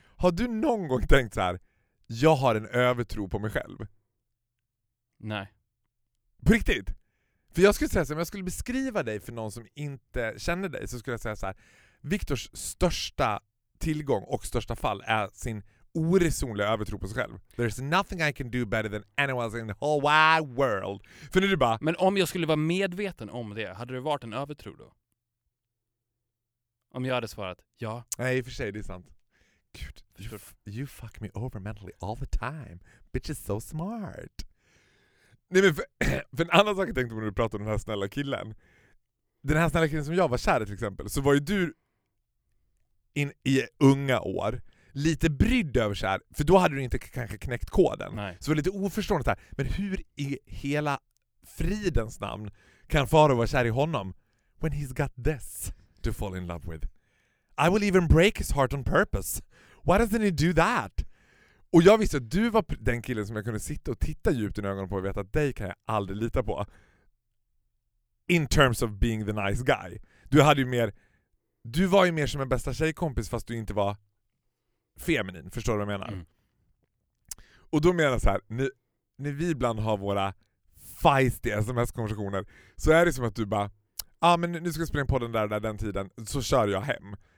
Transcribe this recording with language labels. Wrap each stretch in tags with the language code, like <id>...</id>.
<sv>Har du någon gång tänkt så här, jag har en övertro på mig själv? Nej. På riktigt? För jag skulle säga så här, om jag skulle beskriva dig för någon som inte känner dig, så skulle jag säga så här, Viktors största tillgång och största fall är sin oresonliga övertro på sig själv.</sv> <en>There's nothing I can do better than anyone else in the whole wide world.</en> <sv>För nu är det bara... Men om jag skulle vara medveten om det, hade det varit en övertro då? Om jag hade svarat ja. Nej, i och för sig, det är sant.</sv> <en>Gud, you fuck me over mentally all the time. Bitch is so smart.</en> <sv>Nej, men för en annan sak jag tänkte på när du pratade om den här snälla killen. Den här snälla killen som jag var kär i till exempel, så var ju du i unga år lite brydd över så här, för då hade du inte kanske knäckt koden. Nej. Så det var lite oförstående så här, men hur i hela fridens namn kan Faro vara kär i honom</sv> <en>when he's got this to fall in love with? I will even break his heart on purpose. Why doesn't he do that?</en> <sv>Och jag visste att du var den killen som jag kunde sitta och titta djupt i ögonen på och veta att dig kan jag aldrig lita på.</sv> <en>In terms of being the nice guy.</en> <sv>Du var ju mer som en bästa tjejkompis fast du inte var feminin, förstår du vad jag menar? Mm. Och då menar jag så här, när vi ibland har våra feisty sms-konversationer så är det som att du bara, men nu ska jag spela in på den tiden, så kör jag hem.</sv>